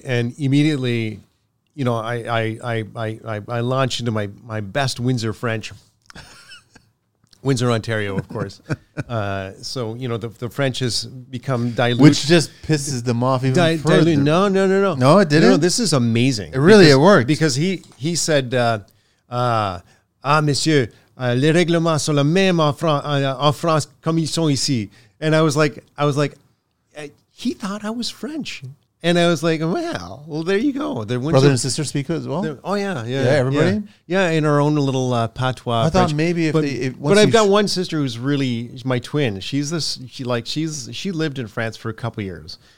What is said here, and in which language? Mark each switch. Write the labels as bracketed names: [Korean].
[English] And immediately, I launch into my best Windsor French. Windsor, Ontario, of course. the French has become diluted. Which just pisses them off even further. No, it didn't? No, this is amazing. It worked. Because he said, [French] monsieur, les règlements sont les mêmes en France comme ils sont ici. [English] And I was like, he thought I was French. And I was like, well, there you go. Brother and sister speak as well? Everybody? Yeah, in our own little patois. One sister who's really my twin. She lived in France for a couple of years.